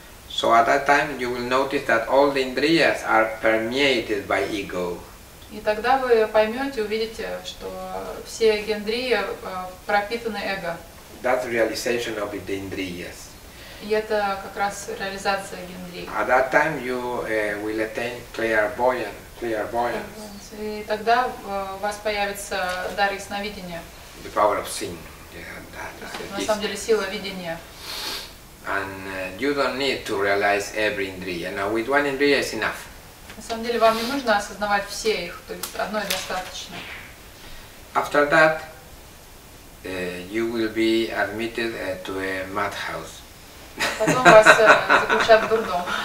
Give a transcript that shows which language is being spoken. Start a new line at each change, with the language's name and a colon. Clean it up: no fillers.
English: So at that time you will notice that all the indriyas are permeated by ego.
Russian: И тогда вы поймете, увидите, что все гендрии пропитаны эго.
English: That's realization of the indriyas.
Russian: И это как раз реализация гендрии.
English: At that time you will attain clairvoyance.
Russian: И тогда у вас появится дар ясновидения.
English: The power of seeing. Yeah,
Russian: на самом деле сила видения.
English: And you don't need to realize every indriya. Now with one indriya is enough.
Russian: На самом деле вам не нужно осознавать все их, то есть одной достаточно.
English: After that, you will be admitted to a madhouse.
Russian: Потом вас заключат в дурдом.